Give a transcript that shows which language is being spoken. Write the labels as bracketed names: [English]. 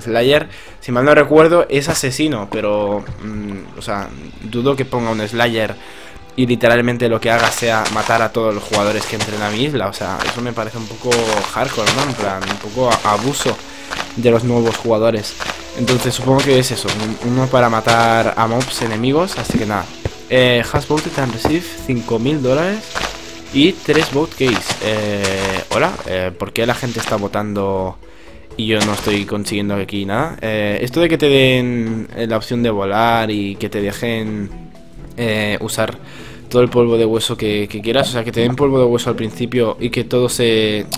[Spanish] Slayer, si mal no recuerdo, es asesino, pero, o sea, dudo que ponga un Slayer y literalmente lo que haga sea matar a todos los jugadores que entren a mi isla. O sea, eso me parece un poco hardcore, ¿no? En plan, un poco abuso de los nuevos jugadores. Entonces supongo que es eso, uno para matar a mobs enemigos, así que nada. [English] Has voted and received $5.000 y 3 vote keys. [Spanish] Hola, ¿por qué la gente está votando y yo no estoy consiguiendo aquí nada? Esto de que te den la opción de volar y que te dejen usar todo el polvo de hueso que quieras, o sea, que te den polvo de hueso al principio y que todo se...